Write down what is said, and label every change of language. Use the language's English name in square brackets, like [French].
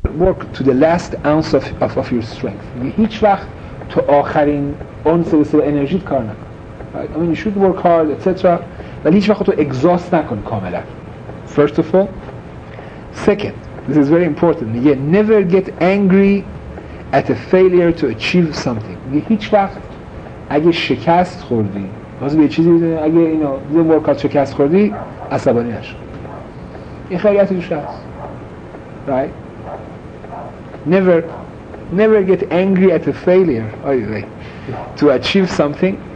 [English] work to the last ounce of your strength. You [Persian] هیچ وقت تا آخرین اونس سر انرژیت کار نکن. [English] I mean you should work hard etc. [Persian] ولی هیچ وقت تو exhaust نکن کاملا. [English] First of all. Second, this is very important. You never get angry at a failure to achieve something. [Persian] You هیچ وقت اگه شکست خوردی، واسه یه چیزی اگه اینو یه ورک اوت شکست خوردی، عصبانی نشو. این خیلی اساسیه. [English] Right? Never get angry at a failure to achieve something.